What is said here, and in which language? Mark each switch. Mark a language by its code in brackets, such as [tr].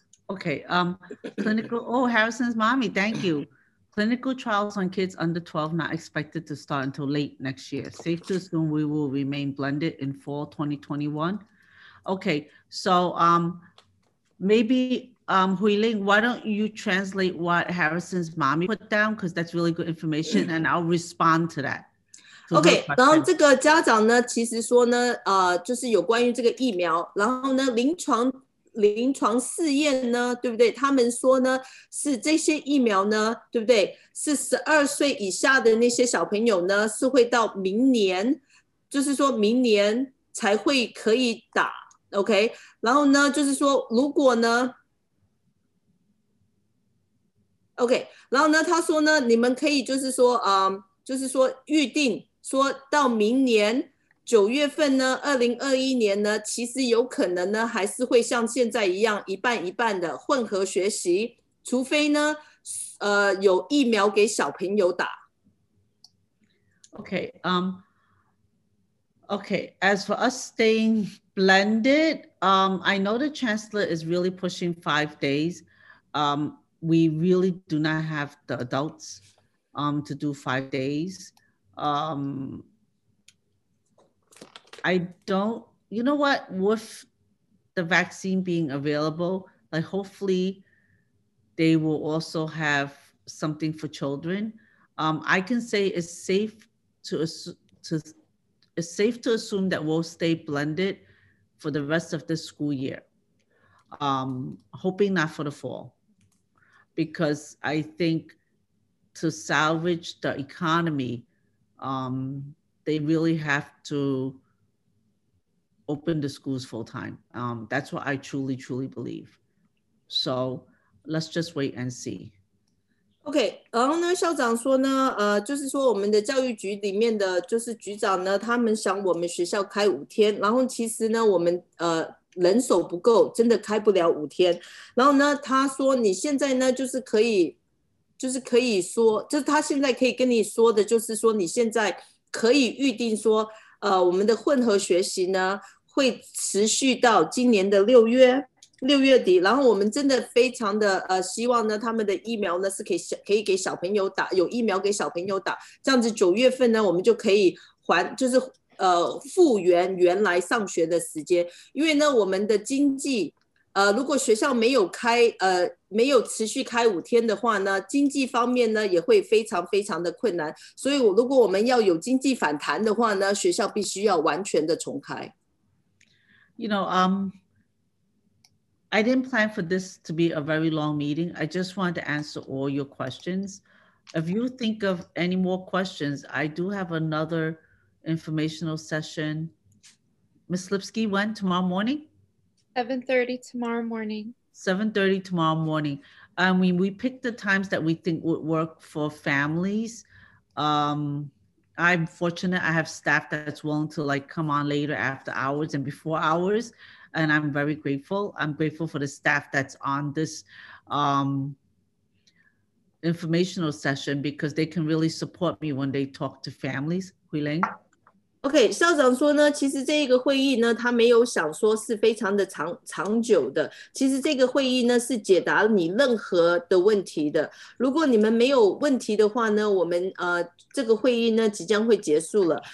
[en] OK, clinical, oh, Harrison's mommy, thank you. Clinical trials on kids under 12 not expected to start until late next year. Safe to assume we will remain blended in fall 2021. Okay, so maybe Huiling, why don't you translate what Harrison's mommy put down? Because that's really good information and I'll respond to that. [zh] Okay, 然后这个家长呢其实说呢就是有关于这个疫苗，然后呢临床试验呢，对不对？他们说呢，是这些疫苗呢，对不对？是12岁以下的那些小朋友呢，是会到明年，就是说明年才会可以打 ，OK？然后呢，就是说如果呢 ，OK？然后呢，他说呢，你们可以就是说，就是说预定，说到明年。九月份呢，2021年呢，其实有可能呢，还是会像现在一样一半一半的混合学习，除非呢，有疫苗给小朋友打。 [en] Okay, okay. As for us staying blended, I know the chancellor is really pushing 5 days. We really do not have the adults, to do 5 days. I don't, you know what, with the vaccine being available, like hopefully they will also have something for children. I can say it's safe to assume that we'll stay blended for the rest of the school year. Hoping not for the fall, because I think to salvage the economy, they really have to,open the schools full time. That's what I truly, truly believe. So let's just wait and see. [zh] Okay, 然后呢，校长说呢，就是说我们的教育局里面的就是局长呢，他们想我们学校开5天，然后其实呢，我们人手不够，真的开不了5天。然后呢，他说你现在呢，就是可以说，就是他现在可以跟你说的，就是说你现在可以预定说。我们的混合学习呢会持续到今年的6月。六月底，然后我们真的非常的希望呢，他们的疫苗呢是可以给小朋友打，有疫苗给小朋友打，这样子九月份呢，我们就可以还就是复原原来上学的时间，因为呢我们的经济。如果学校没有开没有持续开五天的话呢，经济方面呢也会非常非常的困难，所以如果我们要有经济反弹的话呢，学校必须要完全的重开。 [en] You know, I didn't plan for this to be a very long meeting. I just want to answer all your questions. If you think of any more questions, I do have another informational session. Ms. Lipsky, when? Tomorrow morning? 7:30 tomorrow morning. 7:30 tomorrow morning. I mean, we picked the times that we think would work for families. I'm fortunate I have staff that's willing to like come on later after hours and before hours. And I'm very grateful. I'm grateful for the staff that's on this informational session because they can really support me when they talk to families. Huiling? [zh] OK, 校长说呢，其实这个会议呢，他没有想说是非常的长久的。其实这个会议呢，是解答你任何的问题的。如果你们没有问题的话呢，我们这个会议呢即将会结束了。